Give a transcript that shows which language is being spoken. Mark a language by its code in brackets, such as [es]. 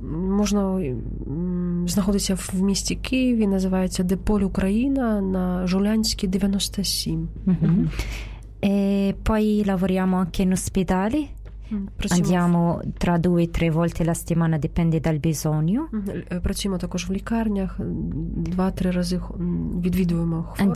[uk] Можна знаходитися в місті Києві, називається Деполь Україна на Жулянській 97. [it] Poi lavoriamo anche in ospedali. Andiamo tra 2-3 volte la settimana, dipende dal bisogno. [uk] Працюємо також в лікарнях, 2-3 рази відвідуємо хворих.